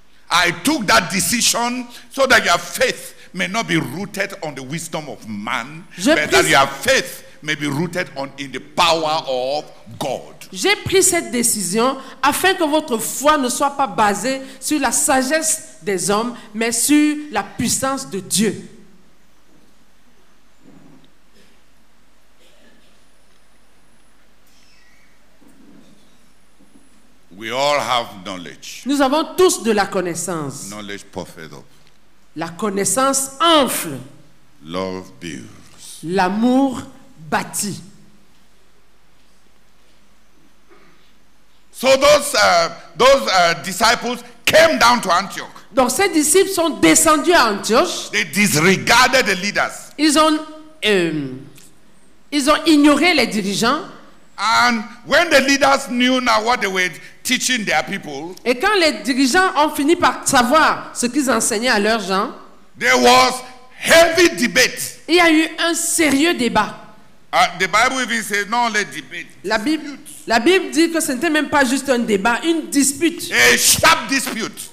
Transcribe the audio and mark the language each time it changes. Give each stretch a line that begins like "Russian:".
English: I took that decision so that your faith may not be rooted on the wisdom of man, but that your faith may be rooted in the power of God.
French: J'ai pris cette décision afin que votre foi ne soit pas basée sur la sagesse des hommes, mais sur la puissance de Dieu.
English: We all have knowledge.
French: Nous avons tous de la connaissance.
English: Knowledge puffeth up.
French: La connaissance enfle.
English: Love builds.
French: L'amour bâtit.
English: So those disciples came down to Antioch.
French: Donc ces disciples sont descendus à Antioche.
English: They disregarded the leaders.
French: Ils ont ignoré les dirigeants.
English: And when the leaders knew now what they were teaching their people,
French: et quand les dirigeants ont fini par savoir ce qu'ils enseignaient à leurs gens,
English: there was heavy debate.
French: Il y a eu un sérieux débat.
English: The Bible even says not only debate.
French: La Bible dit que ce n'était même pas juste un débat, une dispute.
English: A sharp dispute.